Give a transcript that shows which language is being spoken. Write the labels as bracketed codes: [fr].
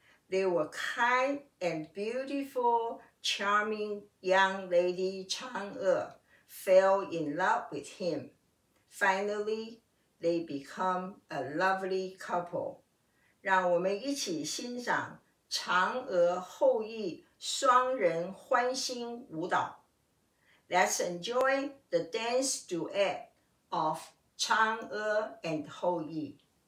[en] They were kind and beautiful, charming young lady Chang'e fell in love with him. Finally, they become a lovely couple. [zh] 让我们一起欣赏嫦娥后羿双人欢欣舞蹈。 [en] Let's enjoy the dance duet of Chang'e and Hou Yi.